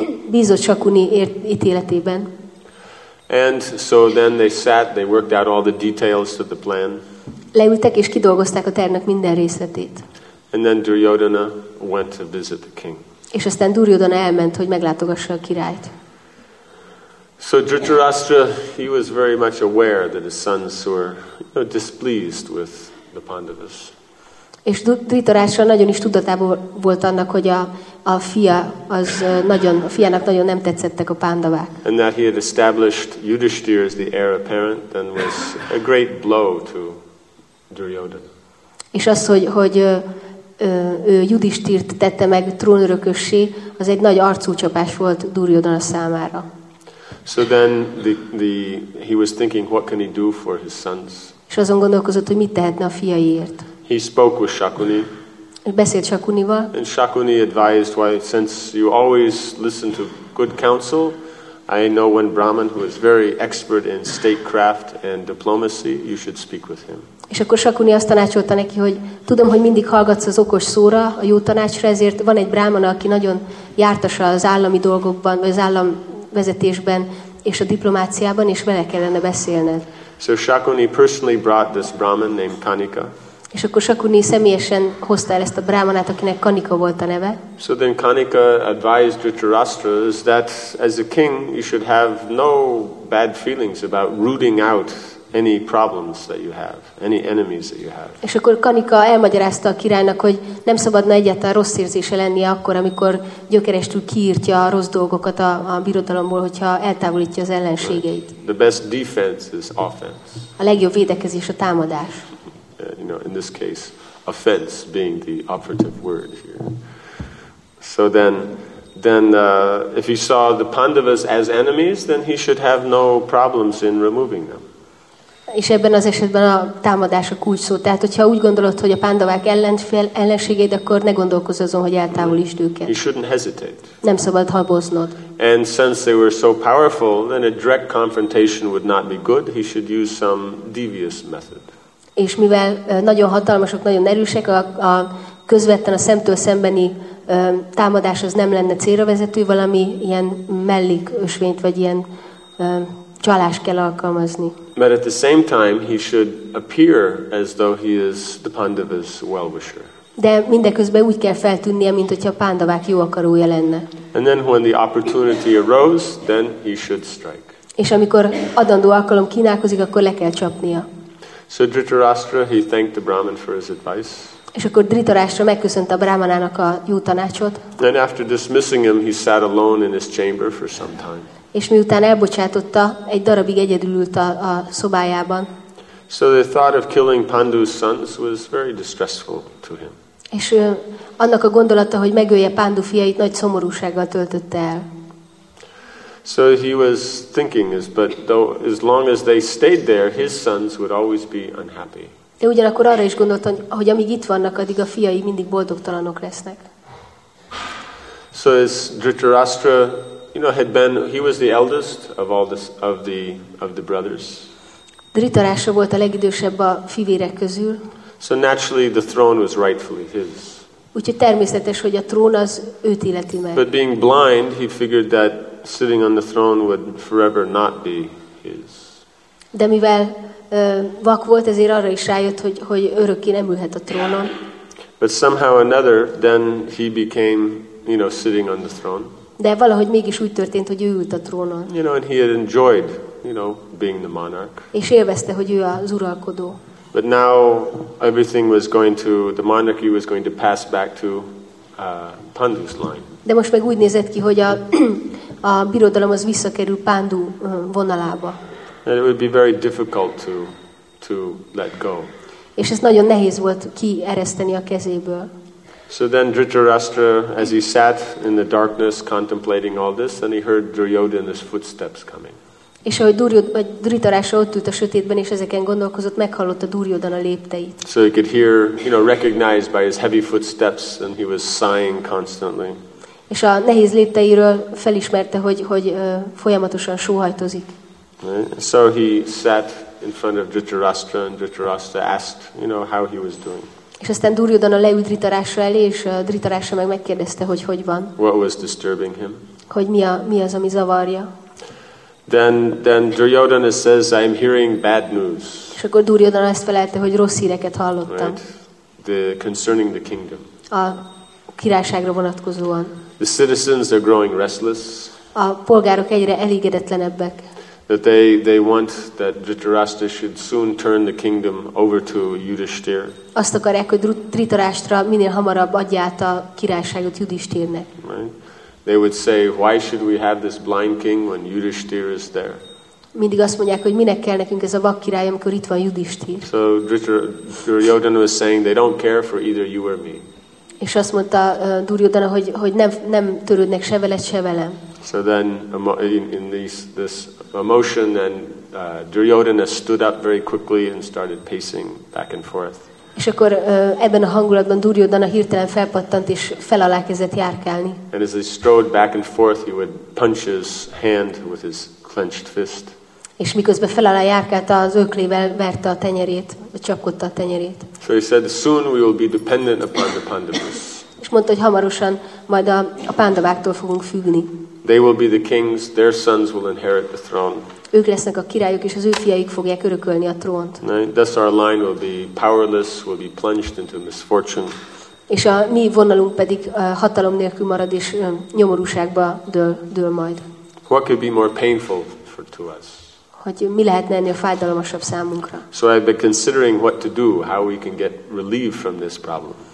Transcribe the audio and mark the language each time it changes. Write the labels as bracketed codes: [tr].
[hu] Bízott Shakuni ítéletében. [en] And so then they sat, they worked out all the details of the plan. [hu] Leültek és kidolgozták a tervnek minden részletét. [en] And then Duryodhana went to visit the king. [hu] És aztán Duryodhana elment, hogy meglátogassa a királyt. [en] So Dhritarashtra, he was very much aware that his sons were, you know, displeased with the Pandavas. [hu] És Dhritarashtra nagyon is tudatában volt annak, hogy a fia az nagyon, a fiának nagyon nem tetszettek a Pandavák. [en] And that he had established Yudhishthira as the heir apparent and was a great blow to Duryodhana. [hu] És az, hogy ő Yudhishthirt tette meg trónörökössé, az egy nagy arcúcsapás volt Duryodhana számára. [en] So then he was thinking, what can he do for his sons? [hu] És azon gondolkozott, hogy mit tehetne a fiaiért. [en] He spoke with Shakuni. [hu] Beszélt Shakunival. [en] And Shakuni advised, why, since you always listen to good counsel, I know one Brahmin who is very expert in statecraft and diplomacy, you should speak with him. [hu] És akkor Shakuni azt tanácsolta neki, hogy tudom, hogy mindig hallgatsz az okos szóra, a jó tanácsra, ezért van egy Brahmana, aki nagyon jártas az állami dolgokban, vagy az állam vezetésben és a diplomáciában, és vele kellene beszélned. [en] So Shakuni personally brought this Brahmin named Kanika. [hu] És akkor Shakuni személyesen hozta el ezt a brámanát, akinek Kanika volt a neve. [en] So then Kanika advised Dhritarashtra that as a king you should have no bad feelings about rooting out any problems that you have, any enemies that you have. [hu] És akkor Kanika elmagyarázta a királynak, hogy nem szabadna egyáltalán rossz érzése lennie akkor, amikor gyökerestül kiírtja a rossz dolgokat a birodalomból, hogyha eltávolítja az ellenségeit. [en] Right. The best defense is offense. [hu] A legjobb védekezés a támadás. [en] You know, in this case, offense being the operative word here. So then if he saw the Pandavas as enemies, then he should have no problems in removing them. [hu] És ebben az esetben a támadás a kulcsszó. Tehát, hogyha úgy gondolod, hogy a Pandavák ellenségeid, akkor ne gondolkozz azon, hogy eltávolítsd őket. [en] You shouldn't hesitate. [hu] Nem szabad haboznod. [en] And since they were so powerful, then a direct confrontation would not be good. He should use some devious method. [hu] És mivel nagyon hatalmasok, nagyon erősek, a közvetlen a szemtől szembeni támadás az nem lenne célravezető, valami ilyen mellékösvényt, vagy ilyen csalást kell alkalmazni. [en] But at the same time he should appear as though he is the Pandavas' well-wisher. [hu] De mindeközben úgy kell feltűnnie, mint hogyha a Pandavák jó akarója lenne. [en] And then when the opportunity arose, then he should strike. [hu] És amikor adandó alkalom kínálkozik, akkor le kell csapnia. [en] So Dhritarashtra, he thanked the Brahman for his advice. [hu] És akkor Dhritarashtra megköszönte a brahmanának a jó tanácsot. [en] And after dismissing him, he sat alone in his chamber for some time. [hu] És miután elbocsátotta, egy darabig egyedül ült a szobájában. [en] So the thought of killing Pandu's sons was very distressful to him. [hu] És annak a gondolata, hogy megölje Pandu fiait, nagy szomorúsággal töltötte el. [en] So he was thinking is, but though as long as they stayed there, his sons would always be unhappy. [hu] De ugyanakkor arra is gondolta, hogy amíg itt vannak, addig a fiai mindig boldogtalanok lesznek. [en] So as Dhritarashtra, you know, had been, he was the eldest of all this, of the brothers. [hu] Dhritarashtra volt a legidősebb a fivérek közül. [en] So naturally the throne was rightfully his. [hu] Úgyhogy természetes, hogy a trón az őt illeti meg. [en] But being blind, he figured that sitting on the throne would forever not be his. [hu] De mivel vak volt, ezért arra is rájött, hogy örökké nem ülhet a trónon. [en] But somehow another, then he became, you know, sitting on the throne. [hu] De valahogy mégis úgy történt, hogy ő ült a trónon. [en] You know, and he had enjoyed, you know, being the monarch. [hu] És élvezte, hogy ő az uralkodó. [en] But now everything was going to, the monarchy was going to pass back to Pandu's line. [hu] De most meg úgy nézett ki, hogy a birodalom az visszakerül Pandu vonalába. [en] And it would be very difficult to let go. [hu] És ez nagyon nehéz volt kiereszteni a kezéből. [en] So then Dhritarashtra, as he sat in the darkness contemplating all this, then he heard Duryodhana's footsteps coming. [hu] És ahogy Dhritarashtra ott ült a sötétben, és ezeken gondolkozott, meghallotta Duryodhana lépteit. [en] So he could hear, you know, recognized by his heavy footsteps, and he was sighing constantly. [hu] És a nehéz lépteiről felismerte, hogy folyamatosan sóhajtozik. [en] Right? So he sat in front of Dhritarashtra, and Dhritarashtra asked, you know, how he was doing. [hu] És aztán Duryodhana leült Dhritarashtra elé, és Dhritarashtra meg megkérdezte, hogy van. [en] What was disturbing him? [hu] Hogy mi az, ami zavarja. [en] Then Duryodhana says, I am hearing bad news. [hu] És akkor Duryodhana ezt felelte, hogy rossz híreket hallottam. [en] Right? Concerning the kingdom. [hu] A királyságra vonatkozóan. [en] The citizens are growing restless. [hu] A polgárok egyre elégedetlenebbek. [en] That they want that Dhritarashtra should soon turn the kingdom over to Yudhishthir. [hu] Azt akarják, hogy Dhritarashtra minél hamarabb adja át a királyságot Yudhishthirnek. [en] Right? They would say, why should we have this blind king when Yudhishthir is there? [hu] Mindig azt mondják, hogy minek kell nekünk ez a vak király, amikor itt van Yudhishthir. [en] So Duryodhana was saying, they don't care for either you or me. [hu] És azt mondta Duryodhana, hogy nem törődnek se veled, se velem. [en] So then in this emotion, then Duryodhana stood up very quickly and started pacing back and forth. [hu] És akkor ebben a hangulatban Duryodhana hirtelen felpattant és fel alá kezdett járkálni. [en] And as he strode back and forth, he would punch his hand with his clenched fist. [hu] És miközben fel alá járkált, az öklével verte a tenyerét, csapkodta a tenyerét. [en] So he said, soon we will be dependent upon the Pandavas. [hu] És mondta, hogy hamarosan majd a Pandaváktól fogunk függni. [en] They will be the kings, their sons will inherit the throne. [hu] Ők lesznek a királyok, és az ő fiaik fogják örökölni a trónt. [en] Thus our line will be powerless, will be plunged into misfortune. [hu] És a mi vonalunk pedig hatalom nélkül marad, és nyomorúságba dől majd. [en] What could be more painful for to us? [hu] Hogy mi lehetne ennél fájdalmasabb számunkra? [en] So I've been considering what to do, how we can get relief from this problem.